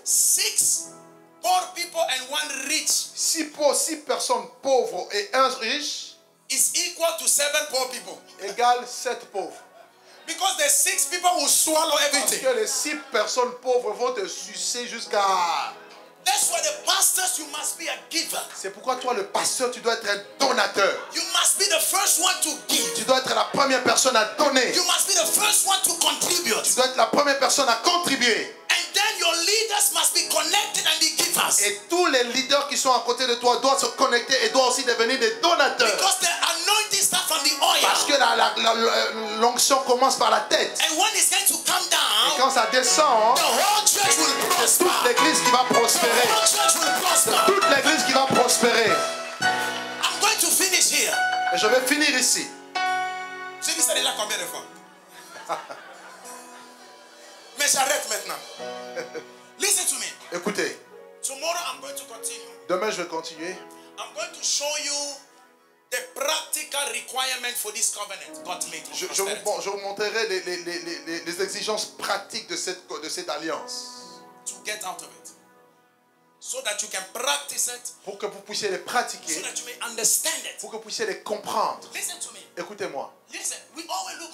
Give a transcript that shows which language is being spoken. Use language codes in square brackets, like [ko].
[en] Six poor people and one rich. [fr] Six pauvres, six personnes pauvres et un riche. [en] Is equal to seven poor people. [fr] Égale sept pauvres. [en] Because the six people will swallow everything. [fr] Parce que les six personnes pauvres vont te sucer jusqu'à. [en] That's why the pastors, you must be a giver. [fr] C'est pourquoi toi le pasteur tu dois être un donateur. [en] You must be the first one to give. [fr] Tu dois être la première personne à donner. [en] You must be the first one to contribute. [fr] Tu dois être la première personne à contribuer. [en] And then your leaders must be connected and be givers. [fr] Et tous les leaders qui sont à côté de toi doivent se connecter et doivent aussi devenir des donateurs. [en] Because the anointing starts from the oil. [fr] Parce que l'onction commence par la tête. [en] And when it's going to come down, [fr] et quand ça descend, [en] the whole church will prosper. [fr] Toute l'église qui va prospérer. [en] The whole church will prosper. [fr] Toute l'église qui va prospérer. [en] I'm going to finish here. [fr] Et je vais finir ici. J'ai dit ça déjà combien de fois? Mais j'arrête maintenant. [en] Listen to me. [fr] Écoutez. [en] Tomorrow I'm going to continue. [fr] Demain je vais continuer. [en] I'm going to show you the practical requirement for this covenant God made. [fr] Je vous montrerai les exigences pratiques de cette alliance. [en] To get out of it. So that you can practice it. [fr] Pour que vous puissiez les pratiquer. [en] So that you may understand it. [fr] Pour que vous puissiez les comprendre. [en] Listen to me. [fr] Écoutez-moi. [en] Listen, we always look